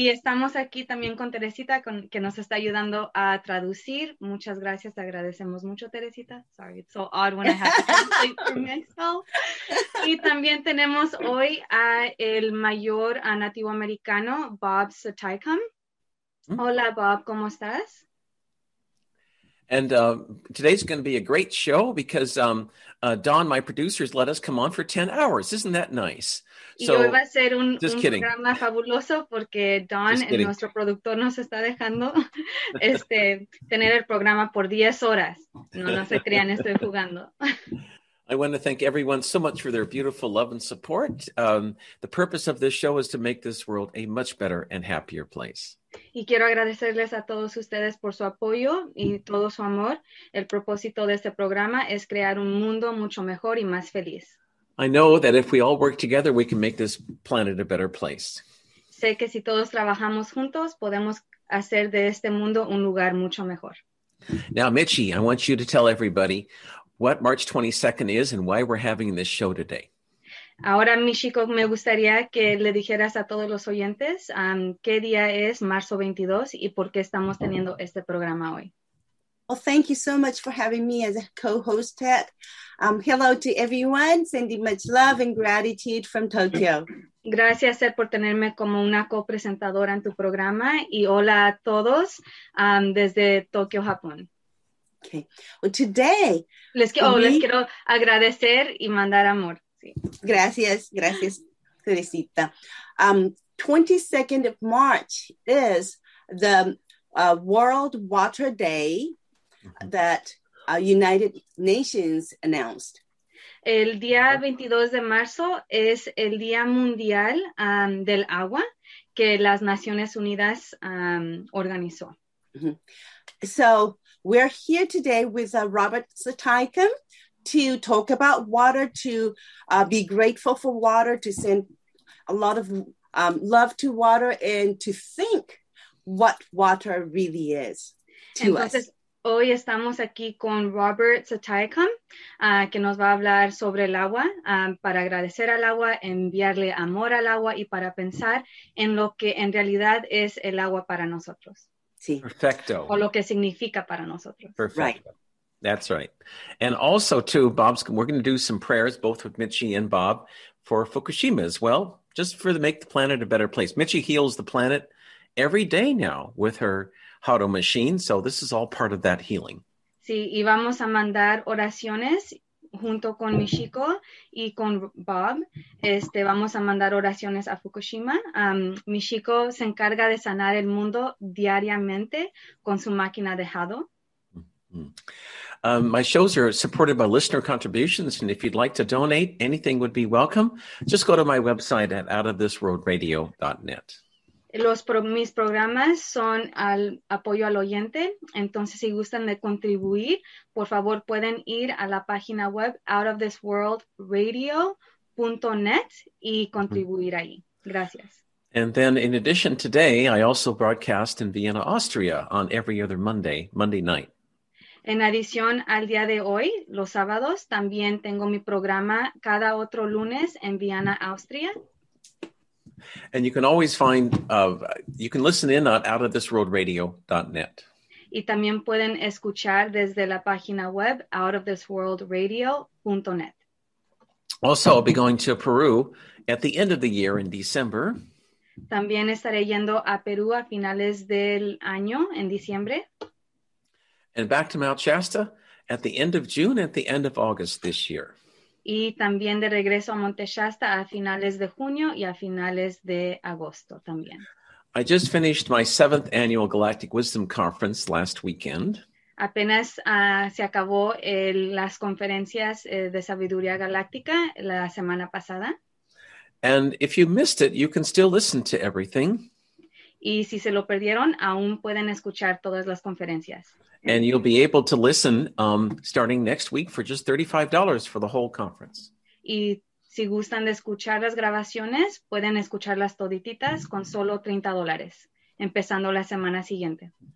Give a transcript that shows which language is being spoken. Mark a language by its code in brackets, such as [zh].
[es] Okay, y estamos aquí también con Teresita, que nos está ayudando a traducir. Muchas gracias, te agradecemos mucho, Teresita. [en] Sorry, it's so odd when I have to translate for myself. [es] Y también tenemos hoy a el mayor nativo americano, Bob Satayakim. Hola, Bob, ¿cómo estás? [en] And today's going to be a great show because Don, my producer, has let us come on for 10 hours. Isn't that nice? [es] So, y hoy va a ser un programa fabuloso porque Don, nuestro productor, nos está dejando tener el programa por 10 horas. No se crean, estoy jugando. [en] I want to thank everyone so much for their beautiful love and support. The purpose of this show is to make this world a much better and happier place. [es] Y quiero agradecerles a todos ustedes por su apoyo y todo su amor. El propósito de este programa es crear un mundo mucho mejor y más feliz. [en] I know that if we all work together, we can make this planet a better place. [es] Sé que si todos trabajamos juntos, podemos hacer de este mundo un lugar mucho mejor. [en] Now, Michi, I want you to tell everybody what March 22nd is and why we're having this show today. [es] Ahora, Michiko, me gustaría que le dijeras a todos los oyentes qué día es marzo 22 y por qué estamos teniendo este programa hoy. [en] Well, thank you so much for having me as a co-host, Ted. Hello to everyone, sending much love and gratitude from Tokyo. [es] Gracias, Ted, por tenerme como una co-presentadora en tu programa y hola a todos desde Tokio, Japón. [en] Okay. Well, today... [es] les quiero agradecer y mandar amor. Gracias, gracias, Teresita. [en] 22nd of March is the World Water Day that United Nations announced. [es] El día 22 de marzo es el Día Mundial del Agua que las Naciones Unidas organizó. Mm-hmm. [en] So we're here today with Robert Satayakim to talk about water, to be grateful for water, to send a lot of love to water, and to think what water really is to [es] Entonces, [en] us. [es] Hoy estamos aquí con Robert Satayakim, que nos va a hablar sobre el agua, para agradecer al agua, enviarle amor al agua, y para pensar en lo que en realidad es el agua para nosotros. Sí. Perfecto. O lo que significa para nosotros. [en] Perfecto. Right. That's right. And also, too, Bob's, we're going to do some prayers, both with Michi and Bob, for Fukushima as well, just for the make the planet a better place. Michi heals the planet every day now with her Hado machine, so this is all part of that healing. [es] Sí, y vamos a mandar oraciones junto con Michiko y con Bob. Vamos a mandar oraciones a Fukushima. Michiko se encarga de sanar el mundo diariamente con su máquina de Hado. [en] My shows are supported by listener contributions, and if you'd like to donate, anything would be welcome. Just go to my website at outofthisworldradio.net. [es] Mis programas son al apoyo al oyente, entonces si gustan de contribuir, por favor pueden ir a la página web outofthisworldradio.net y contribuir ahí. Gracias. [en] And then in addition, today I also broadcast in Vienna, Austria on every other Monday night. [es] En adición al día de hoy, los sábados, también tengo mi programa cada otro lunes en Viena, Austria. [en] And you can always find, you can listen in at outofthisworldradio.net. [es] Y también pueden escuchar desde la página web outofthisworldradio.net. [en] Also, I'll be going to Peru at the end of the year in December. [es] También estaré yendo a Perú a finales del año, en diciembre. [en] And back to Mount Shasta at the end of June, at the end of August this year. [es] Y también de regreso a Monte Shasta a finales de junio y a finales de agosto también. [en] I just finished my 7th annual Galactic Wisdom Conference last weekend. [es] Apenas se acabó las conferencias de sabiduría galáctica la semana pasada. [en] And if you missed it, you can still listen to everything. [es] Y si se lo perdieron, aún pueden escuchar todas las conferencias. [en] And you'll be able to listen starting next week for just $35 for the whole conference. [es] Y si gustan de escuchar las grabaciones, pueden escucharlas todititas con solo $30, empezando la semana siguiente.